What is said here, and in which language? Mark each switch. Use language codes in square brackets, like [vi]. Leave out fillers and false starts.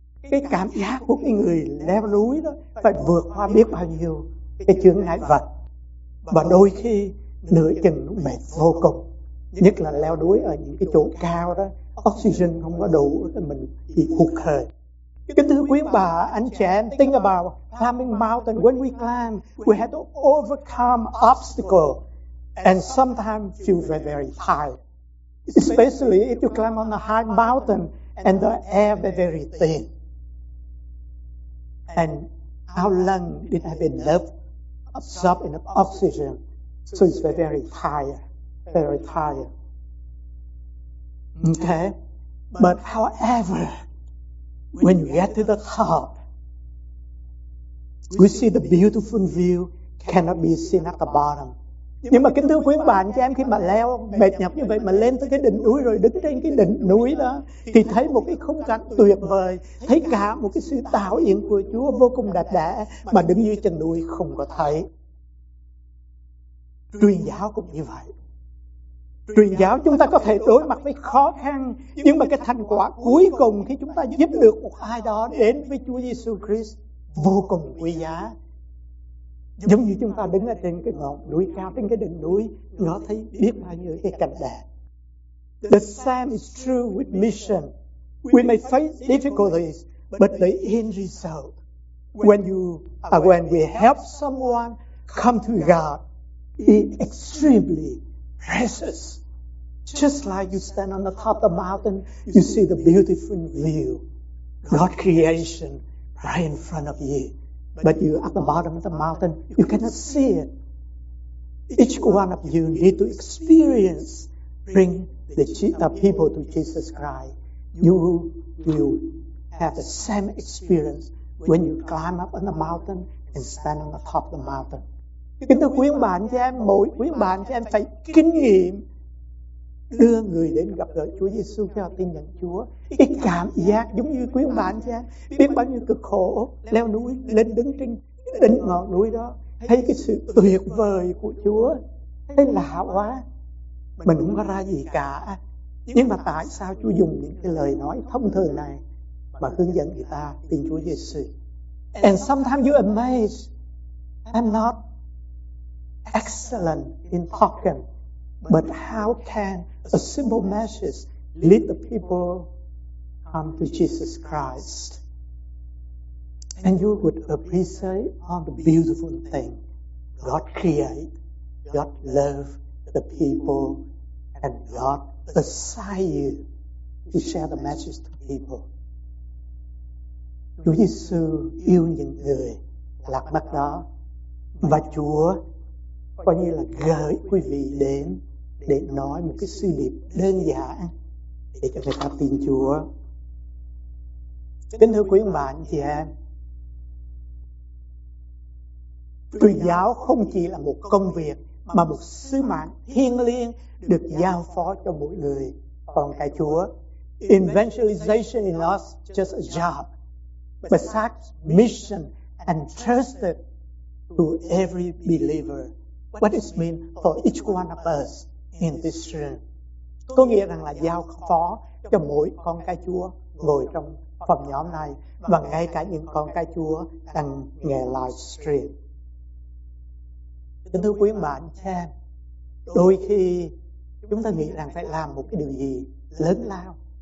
[vi] Cái cảm giác của cái người leo núi đó phải vượt qua biết bao nhiêu cái chướng ngại vật, và đôi khi nửa chừng mệt vô cùng, nhất là leo núi ở những cái chỗ cao đó, oxygen không có đủ thì mình bị hụt hơi. Kính thưa quý bà, anh chị em, [en] think about climbing mountain. When we climb, we have to overcome obstacles and sometimes feel very, very tired. Especially if you climb on a high mountain and the air very, very thin. And our lung didn't have enough absorb enough oxygen, so it's very, very tired, very tired. Okay? But however, when you get to the top, we see the beautiful view cannot be seen at the bottom. [vi] Nhưng mà kính thưa quý bạn cho em, khi mà leo mệt nhọc như vậy mà lên tới cái đỉnh núi rồi, đứng trên cái đỉnh núi đó thì thấy một cái khung cảnh tuyệt vời, thấy cả một cái sự tạo hiện của Chúa vô cùng đẹp đẽ, mà đứng dưới chân núi không có thấy. Truyền giáo cũng như vậy. Truyền giáo chúng ta có thể đối mặt với khó khăn, nhưng mà cái thành quả cuối cùng khi chúng ta giúp được một ai đó đến với Chúa Giêsu Christ vô cùng quý giá. Giống như chúng ta đứng ở trên cái ngọn núi cao, trên cái đỉnh núi, ngó thấy biết bao nhiêu cái cảnh đẹp. [en] The same is true with mission. We may face difficulties, but the end result, when we help someone come to God, is extremely precious. Just like you stand on the top of the mountain, you see the beautiful view, God's creation right in front of you. But you at the bottom of the mountain, you cannot see it. Each one of you need to experience bring the people to Jesus Christ, you will have the same experience when you climb up on the mountain and stand on the top of the mountain. [vi] Kính thưa quý ông bà anh chị em, mỗi quý ông bà anh chị em phải kinh nghiệm đưa người đến gặp gỡ Chúa Giêsu khi họ tin nhận Chúa. Cái cảm giác giống như quý ông bà anh chị em biết bao nhiêu cực khổ leo núi lên đứng trên đỉnh ngọn núi đó, thấy cái sự tuyệt vời của Chúa, thấy lạ quá, mình không có ra gì cả. Nhưng mà tại sao Chúa dùng những cái lời nói thông thường này mà hướng dẫn người ta tin Chúa Giêsu? [en] And sometimes you're amazed, I'm not excellent in talking, but how can a simple message lead the people come to Jesus Christ? And you would appreciate all the beautiful thing God create, God love the people, and God assign you to share the message to people. [vi] Chúa Giêsu yêu những người lạc mắt đó, và Chúa coi như là gửi quý vị đến để nói một cái sứ điệp đơn giản để cho người ta tin Chúa. Kính thưa quý ông bà anh chị em, truyền giáo không chỉ là một công việc mà một sứ mạng thiêng liêng được giao phó cho mỗi người con cái Chúa. [en] Evangelization is not just a job, but such mission entrusted to every believer. What does it mean for each one of us in this room? [vi] Có nghĩa rằng là giao phó cho mỗi con cái Chúa ngồi trong phòng nhóm này và ngay cả những con cái Chúa đang nghe live stream. Kính thưa quý ông bà anh chị em, đôi khi chúng ta nghĩ rằng phải làm một cái điều gì lớn lao.